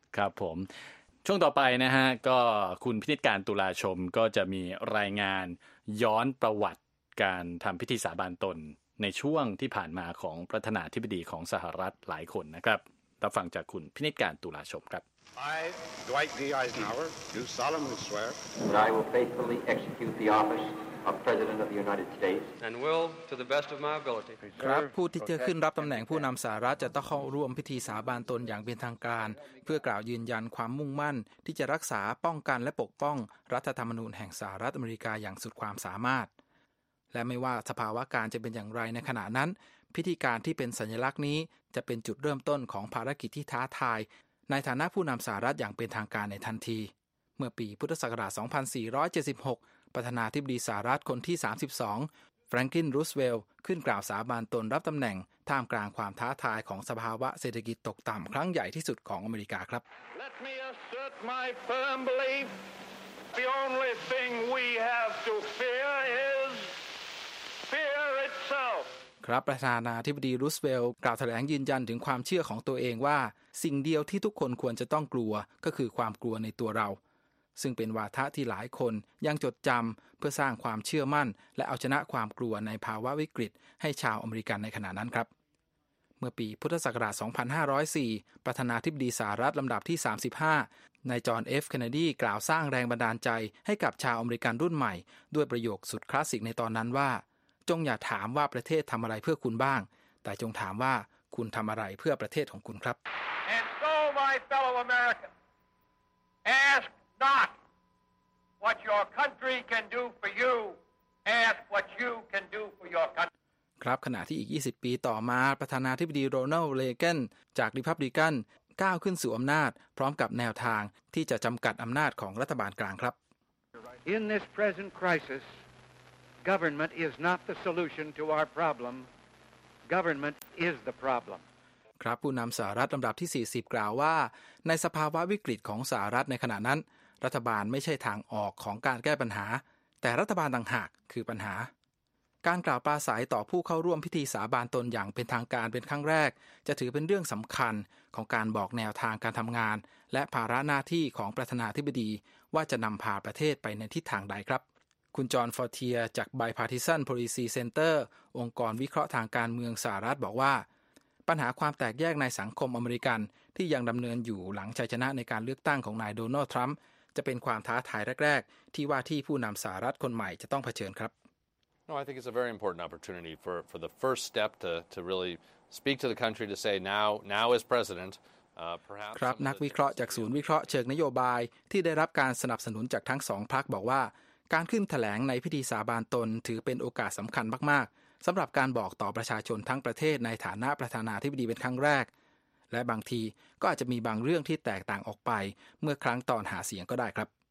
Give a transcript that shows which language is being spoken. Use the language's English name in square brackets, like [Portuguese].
[Thai] ครับผมช่วงต่อไปนะฮะก็คุณพินิจการตุลาชมก็จะมีรายงานย้อนประวัติการทำพิธีสาบานตนในช่วงที่ผ่านมาของประธานาธิบดีของสหรัฐหลายคนนะครับรับฟังจากคุณพินิจการตุลาชมครับ [English] I, Dwight D. Eisenhower, do solemnly swear that I will faithfully execute the office of President of the United States and will, to the best of my ability, [Thai] ครับผู้ที่จะขึ้นรับตำแหน่งผู้นำสหรัฐจะต้องเข้าร่วมพิธีสาบานตนอย่างเป็นทางการเพื่อกล่าวยืนยันความมุ่งมั่นที่จะรักษาป้องกันและปกป้องรัฐธรรมนูญแห่งสหรัฐอเมริกาอย่างสุดความสามารถและไม่ว่าสภาวะการจะเป็นอย่างไรในขณะนั้นพิธีการที่เป็นสัญลักษณ์นี้จะเป็นจุดเริ่มต้นของภารกิจที่ท้าทายในฐานะผู้นำสหรัฐอย่างเป็นทางการในทันทีเมื่อปีพุทธศักราช 2476ประธานาธิบดีสหรัฐคนที่32แฟรงคลินรูสเวลล์ขึ้นกล่าวสาบานตนรับตำแหน่งท่ามกลางความท้าทายของสภาวะเศรษฐกิจตกต่ำครั้งใหญ่ที่สุดของอเมริกาครับ [English] Let me assert my firm belief the only thing we have to fear is fear itself [Thai] ครับประธานาธิบดีรูสเวลล์กล่าวแถลงยืนยันถึงความเชื่อของตัวเองว่าสิ่งเดียวที่ทุกคนควรจะต้องกลัวก็คือความกลัวในตัวเราซึ่งเป็นวาทะที่หลายคนยังจดจำเพื่อสร้างความเชื่อมั่นและเอาชนะความกลัวในภาวะวิกฤตให้ชาวอเมริกันในขณะนั้นครับ เมื่อปีพุทธศักราช2504ประธานาธิบดีสหรัฐลำดับที่35นายจอห์นเอฟเคนเนดีกล่าวสร้างแรงบันดาลใจให้กับชาวอเมริกันรุ่นใหม่ด้วยประโยคสุดคลาสสิกในตอนนั้นว่าจงอย่าถามว่าประเทศทำอะไรเพื่อคุณบ้างแต่จงถามว่าคุณทำอะไรเพื่อประเทศของคุณครับ [English] And so my fellow American ask not what your country can do for you ask what you can do for your country [Thai] ครับขณะที่อีก20ปีต่อมาประธานาธิบดีโรนัลด์เรแกนจากริพับลิกัน ก้าวขึ้นสู่อำนาจพร้อมกับแนวทางที่จะจำกัดอำนาจของรัฐบาลกลางครับ [English] In this present crisis government is not the solution to our problem government is the problem [Thai] ครับผู้นำสหรัฐลำดับที่40กล่าวว่าในสภาวะวิกฤตของสหรัฐในขณะนั้นรัฐบาลไม่ใช่ทางออกของการแก้ปัญหาแต่รัฐบาลต่างหากคือปัญหาการกล่าวปราศัยต่อผู้เข้าร่วมพิธีสาบานตนอย่างเป็นทางการเป็นครั้งแรกจะถือเป็นเรื่องสำคัญของการบอกแนวทางการทำงานและภาระหน้าที่ของประธานาธิบดีว่าจะนำพาประเทศไปในทิศทางใดครับคุณจอห์นฟอร์เทียจาก Bipartisan Policy Center องค์กรวิเคราะห์ทางการเมืองสหรัฐบอกว่า ปัญหาความแตกแยกในสังคมอเมริกันที่ยังดำเนินอยู่หลังชัยชนะในการเลือกตั้งของนายโดนัลด์ทรัมป์จะเป็นความท้าทายแรกๆที่ว่าที่ผู้นำสหรัฐคนใหม่จะต้องเผชิญครับ [English] No, I think it's a very important opportunity for the first step to really speak to the country to say now as president perhaps [Thai] ครับนักวิเคราะห์จากศูนย์วิเคราะห์เชิงนโยบายที่ได้รับการสนับสนุนจากทั้ง2พรรคบอกว่าการขึ้นแถลงในพิธีสาบานตนถือเป็นโอกาสสำคัญมากๆสำหรับการบอกต่อประชาชนทั้งประเทศในฐานะประธานาธิบดีเป็นครั้งแรกและบางทีก็อาจจะมีบางเรื่องที่แตกต่างออกไปเมื่อครั้งตอนหาเสียงก็ได้ครับ